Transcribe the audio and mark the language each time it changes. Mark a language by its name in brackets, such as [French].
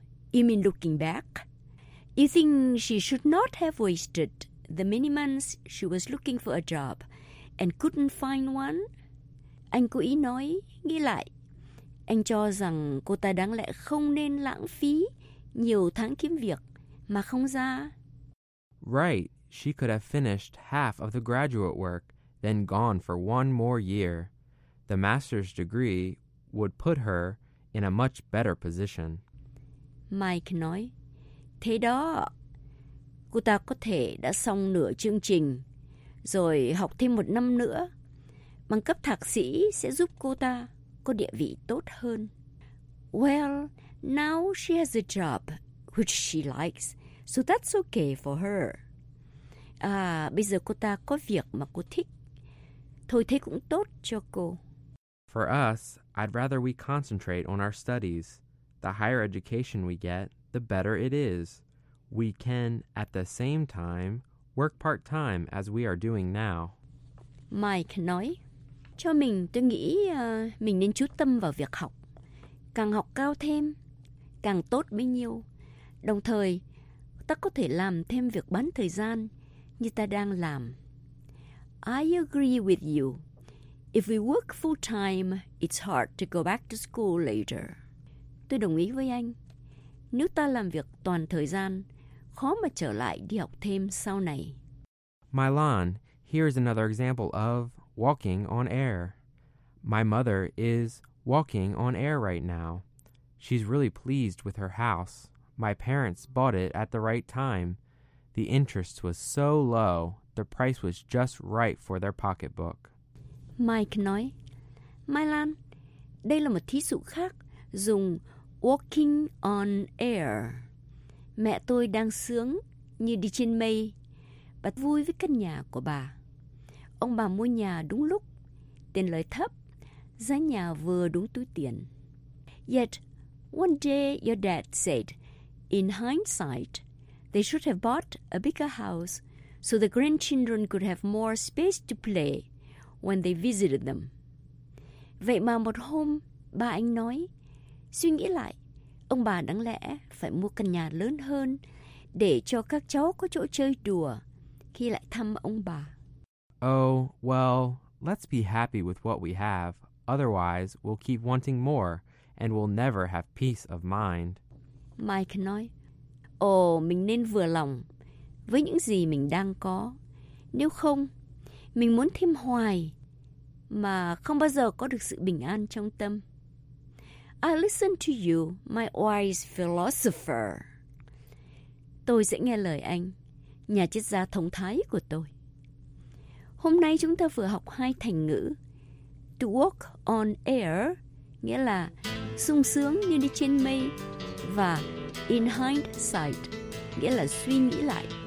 [English] You mean looking back? You think she should not have wasted the many months she was looking for a job and couldn't find one. [Vietnamese] Anh cố ý nói, nghĩ lại. Anh cho rằng cô ta đáng lẽ không nên lãng phí nhiều tháng kiếm việc mà không ra. [English] Right, she could have finished half of the graduate work, then gone for one more year. The master's degree would put her in a much better position. [Vietnamese] Mike nói, thế đó, cô ta có thể đã xong nửa chương trình, rồi học thêm một năm nữa. Bằng cấp thạc sĩ sẽ giúp cô ta có địa vị tốt hơn. [English] Well, now she has a job which she likes, so that's okay for her. [Vietnamese] À, bây giờ cô ta có việc mà cô thích. Thôi thế cũng tốt cho cô. [English] For us, I'd rather we concentrate on our studies. The higher education we get, the better it is. We can, at the same time, work part-time as we are doing now. [Vietnamese] Mike nói, cho mình, tôi nghĩ mình nên chú tâm vào việc học. Càng học cao thêm, càng tốt bấy nhiêu. Đồng thời, ta có thể làm thêm việc bán thời gian như ta đang làm. [English] I agree with you. If we work full-time, it's hard to go back to school later. [Vietnamese] Tôi đồng ý với anh. Nếu ta làm việc toàn thời gian, khó mà trở lại đi học thêm sau này. [English] Milan, here's another example of walking on air. My mother is walking on air right now. She's really pleased with her house. My parents bought it at the right time. The interest was so low, the price was just right for their pocketbook. [Vietnamese] Mike nói, Milan, đây là một thí dụ khác dùng [English] walking on air. [Vietnamese] Mẹ tôi đang sướng như đi trên mây, bà vui với căn nhà của bà. Ông bà mua nhà đúng lúc, tiền lời thấp, giá nhà vừa đúng túi tiền. [English] Yet, one day your dad said, in hindsight, they should have bought a bigger house so the grandchildren could have more space to play when they visited them. [Vietnamese] Vậy mà một hôm, bà anh nói, suy nghĩ lại, ông bà đáng lẽ phải mua căn nhà lớn hơn để cho các cháu có chỗ chơi đùa khi lại thăm ông bà. [English] Oh, well, let's be happy with what we have. Otherwise, we'll keep wanting more and we'll never have peace of mind. [Vietnamese] Mike nói, ồ, mình nên vừa lòng với những gì mình đang có. Nếu không, mình muốn thêm hoài mà không bao giờ có được sự bình an trong tâm. [English] I listen to you, my wise philosopher. [Vietnamese] Tôi sẽ nghe lời anh, nhà triết gia thông thái của tôi. Hôm nay chúng ta vừa học hai thành ngữ. [English] To walk on air, [Vietnamese] nghĩa là sung sướng như đi trên mây. Và [English] in hindsight, [Vietnamese] nghĩa là suy nghĩ lại.